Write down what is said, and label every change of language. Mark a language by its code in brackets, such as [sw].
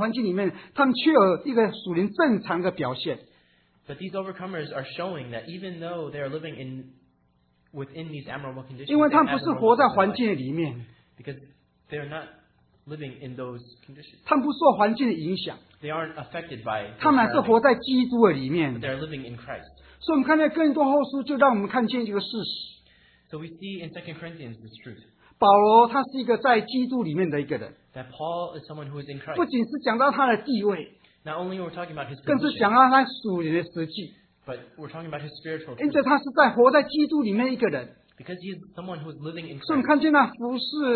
[zh] 而这些得胜者就是说明他们在这个不正常环境里面他们却有一个属灵正常的表现 [en] But these overcomers are showing that even though they are living in within these abnormal conditions [zh] 因为他们不是活在环境里面 [en] Because they are not living in those conditions [zh] 他们不受环境的影响 [en] They aren't affected by [zh] 他们还是活在基督的里面 [en] But they are living in Christ [zh] 所以我们看见更多后书就让我们看见一个事实 [en] So we see in 2 Corinthians this truth. [zh] 保罗他是一个在基督里面的一个人, [en] that Paul is someone who is in Christ. [zh] 不仅是讲到他的地位, [en] not only we're talking about his position, but we're talking about his spiritual truth. [zh] 因着他是在活在基督里面一个人, [en] because he is someone who is living in Christ.